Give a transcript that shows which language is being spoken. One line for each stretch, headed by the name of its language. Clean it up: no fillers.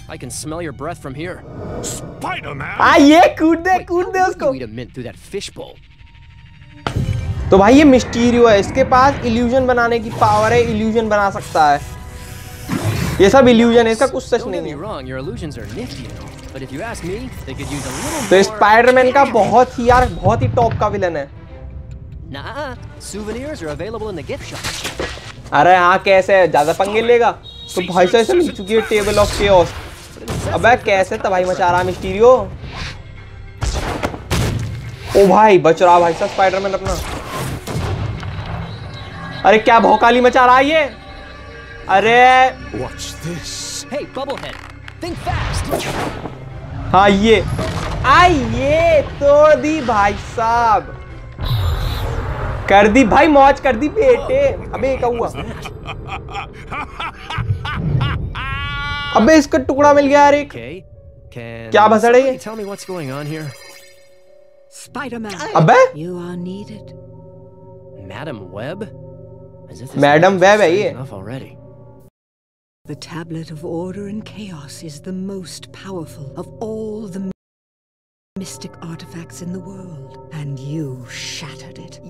English: I can smell your breath from here.
Hindi: Spider-Man. Aaye, kud de usko.
English: How do you eat a mint through that fishbowl?
Hindi: तो भाई ये Mysterio है, इसके पास illusion बनाने की power है, इल्यूजन बना सकता है। ये सब इल्यूजन है, इसका कुछ सच नहीं है। तो स्पाइडरमैन का बहुत ही यार बहुत ही टॉप का विलन है।
English: Souvenirs are available in the gift shop.
Hindi: अरे हाँ कैसे है, ज्यादा पंगे लेगा तो भाई साहब मिल चुकी है टेबल ऑफ केओस। अबे कैसे तबाही मचा रहा मिस्टीरियो। ओ भाई बच रहा भाई साहब स्पाइडरमैन अपना। अरे क्या भौकाली मचा रहा है ये। अरे
English: Watch this. Hey, Bubblehead, think fast.
Hindi: हाँ ये आइए तोड़ दी भाई साहब, कर दी भाई मौज कर दी बेटे। अबे क्या हुआ? अबे इसका टुकड़ा मिल गया। अरे क्या भसड़ है ये?
English: Tell me what's going on here. Spider-Man.
Hindi: अबे
English: you are needed. Madam Web?
Hindi: Madame Web है ये।
English: The tablet of order and chaos is the most powerful of all the mystic artifacts in the world, and you shattered it.